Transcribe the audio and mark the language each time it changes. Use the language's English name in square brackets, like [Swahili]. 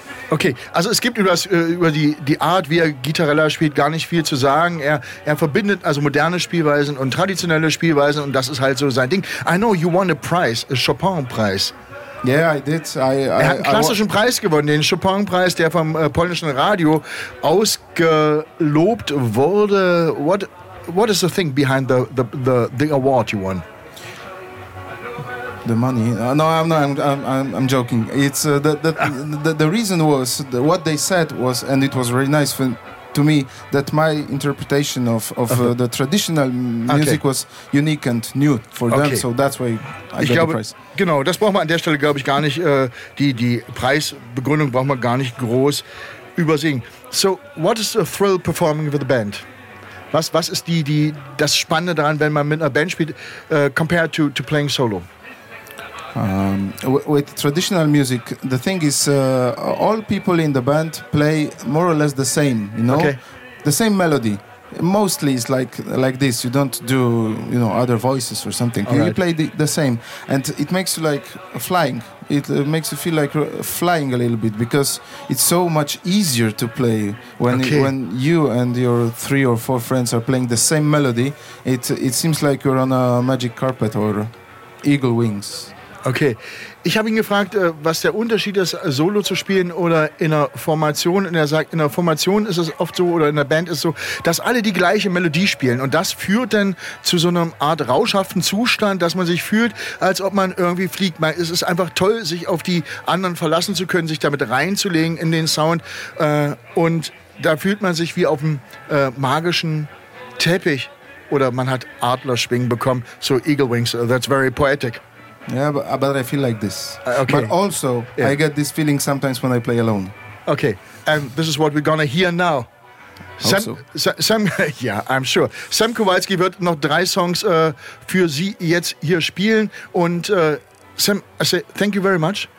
[German] Okay, also es gibt über die Art, wie er Gitarrella spielt, gar nicht viel zu sagen. Er verbindet also moderne Spielweisen und traditionelle Spielweisen und das ist halt so sein Ding. [English] I know you won a prize, a Chopin-Preis. Yeah, I did. [German] Er hat einen klassischen Preis gewonnen, den Chopin-Preis, der vom polnischen Radio ausgelobt wurde. [English] What is the thing behind the award you won? The money? No, I'm joking. It's the reason was what they said was, and it was really nice to me that my interpretation of the traditional music was unique and new for them. So that's why I got the prize. [German] Genau, das braucht man an der Stelle, glaube ich, gar nicht. Die Preisbegründung braucht man gar nicht groß übersehen. [English] So, what is the thrill performing with the band? [German] Was ist das Spannende daran, wenn man mit einer Band spielt, [English] compared to playing solo? With traditional music, the thing is, all people in the band play more or less the same, you know? Okay. The same melody. Mostly it's like this. You don't do, you know, other voices or something. All right. You play the same. And it makes you like flying. It makes you feel like flying a little bit because it's so much easier to play when you and your three or four friends are playing the same melody. It seems like you're on a magic carpet or eagle wings. [German] Okay, ich habe ihn gefragt, was der Unterschied ist, solo zu spielen oder in einer Formation. Und er sagt, in der Formation ist es oft so oder in der Band ist es so, dass alle die gleiche Melodie spielen. Und das führt dann zu so einer Art rauschhaften Zustand, dass man sich fühlt, als ob man irgendwie fliegt. Es ist einfach toll, sich auf die anderen verlassen zu können, sich damit reinzulegen in den Sound. Und da fühlt man sich wie auf einem magischen Teppich oder man hat Adlerschwingen bekommen. [English] So Eagle Wings, that's very poetic. Yeah, but I feel like this. Okay. But also, I get this feeling sometimes when I play alone. Okay, and this is what we're gonna hear now. I'm sure. [German] Sam Kowalski wird noch drei Songs für Sie jetzt hier spielen. [English] Und Sam, I say thank you very much.